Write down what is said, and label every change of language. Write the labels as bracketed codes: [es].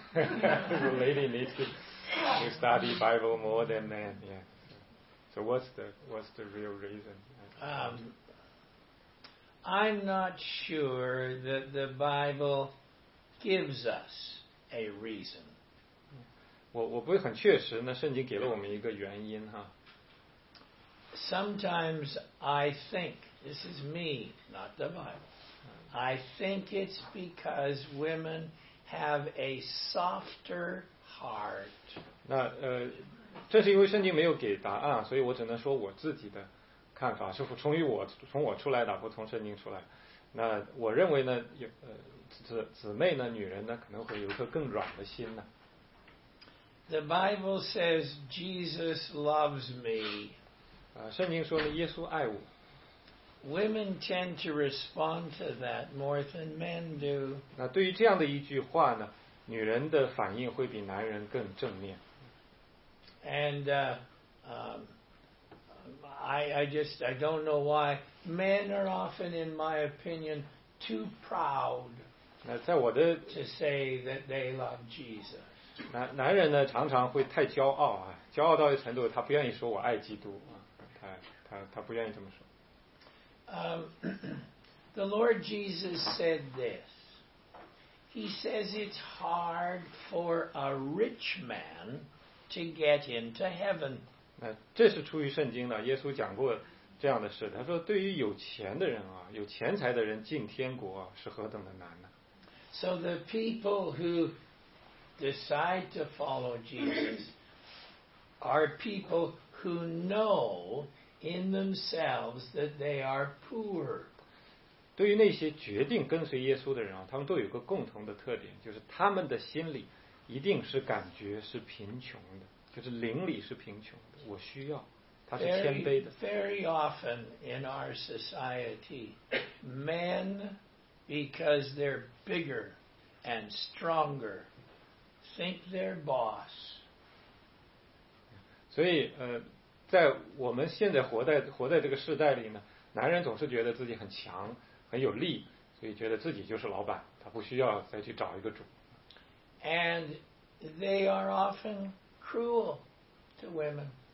[en] So lady needs to study Bible more than man. Yeah. So what's the real reason? I'm not sure that the Bible gives us a reason. [zh] 我不是很确实，那圣经给了我们一个原因哈。 [en] Sometimes I think, this is me, not the Bible. I think it's because women have a softer heart. [zh] 那这是因为圣经没有给答案，所以我只能说我自己的看法，是从于我从我出来的，不从圣经出来。那我认为呢，姊妹呢，女人呢，可能会有一颗更软的心呢。 [en] The Bible says Jesus loves me. [zh] 圣经说呢，耶稣爱我。 [en] Women tend to respond to that more than men do. [zh] 那对于这样的一句话呢，女人的反应会比男人更正面。 [en] And I don't know why men are often, in my opinion, too proud. [zh] 那在我的 [en] to say that they love Jesus. [zh] 男人呢常常会太骄傲啊，骄傲到一程度，他不愿意说我爱基督啊，他不愿意这么说。 [en] The Lord Jesus said this. He says it's hard for a rich man to get into heaven. [zh] 这是出于圣经的，耶稣讲过这样的事，他说对于有钱的人啊，有钱财的人进天国啊，是何等的难呢。 [en] So the people who decide to follow Jesus are people who know in themselves that they are poor. [zh] 对于那些决定跟随耶稣的人啊，他们都有个共同的特点，就是他们的心里一定是感觉是贫穷的，就是灵里是贫穷的，我需要，他是谦卑的。 [en] Very often in our society, men, because they're bigger and stronger, think they're boss. [zh] 所以在我们现在活在这个时代里呢，男人总是觉得自己很强很有力，所以觉得自己就是老板，他不需要再去找一个主。 [en] AndThey are often cruel to women.